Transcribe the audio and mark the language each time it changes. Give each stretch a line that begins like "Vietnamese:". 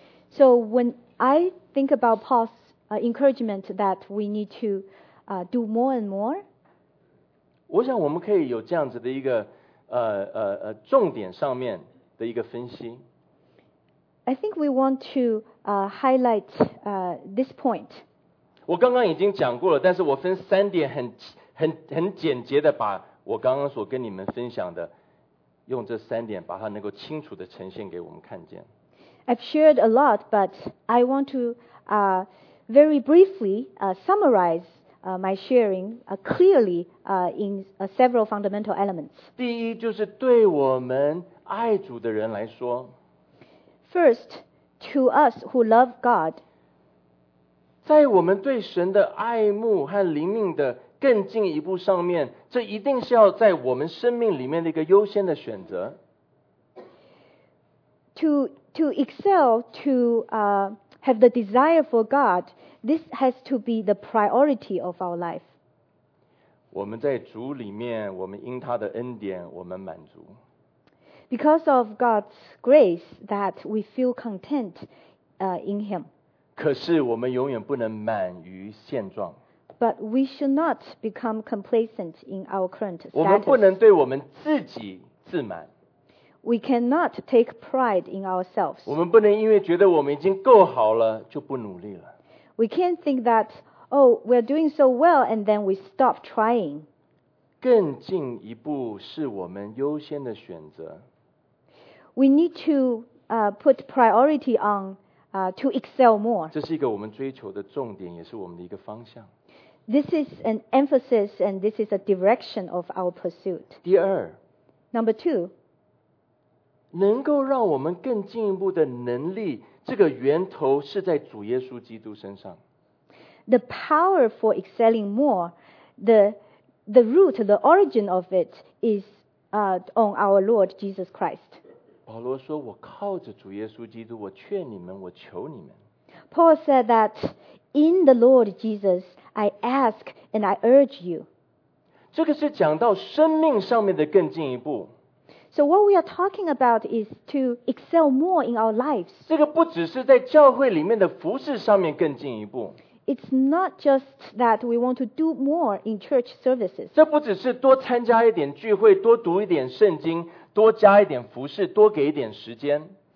English: So when I think about Paul's encouragement that we need to do more and more,
Chinese: 我想我们可以有这样子的一个重点上面的一个分析。
English: I think we want to highlight this point.
Chinese: 我刚刚已经讲过了，但是我分三点很简洁的把我刚刚所跟你们分享的，用这三点把它能够清楚的呈现给我们看见。
English: I've shared a lot, but I want to very briefly summarize my sharing clearly in several fundamental elements.
Chinese: 第一，就是对我们爱主的人来说。
English: First, to us who love God.
Chinese: 在我们对神的爱慕和灵命的更进一步上面，这一定是要在我们生命里面的一个优先的选择。
English: To excel, to have the desire for God, this has to be the priority of our life.
Chinese: 我们在主里面，我们因他的恩典，我们满足。
English: Because of God's grace, that we feel content in Him.
Chinese: 可是我们永远不能满于现状。
English: But we should not become complacent in our current status.
Chinese: 我们不能对我们自己自满。
English: We cannot take pride in ourselves.
Chinese: 我们不能因为觉得我们已经够好了就不努力了。
English: We can't think that, oh, we're doing so well and then we stop trying.
Chinese: 更进一步是我们优先的选择。
English: We need to put priority on to excel more.
Chinese: 这是一个我们追求的重点，也是我们的一个方向。
English: This is an emphasis and this is a direction of our pursuit.
Chinese: 第二，
English: Number two,
Chinese: 能够让我们更进一步的能力，这个源头是在主耶稣基督身上。
English: The power for excelling more, the root, the origin of it is on our Lord Jesus Christ.
Chinese: 保罗说，我靠着主耶稣基督，我劝你们，我求你们。
English: Paul said that in the Lord Jesus,I ask and I urge you.
Chinese: 这个是讲到生命上面的更进一步。
English: So what we are talking about is to excel more in our lives.
Chinese: 这个不只是在教会里面的服事上面更进一步。
English: It's not just that we want to do more in church services.
Chinese: 这不只是多参加一点聚会，多读一点圣经，多加一点服事，多给一点时间。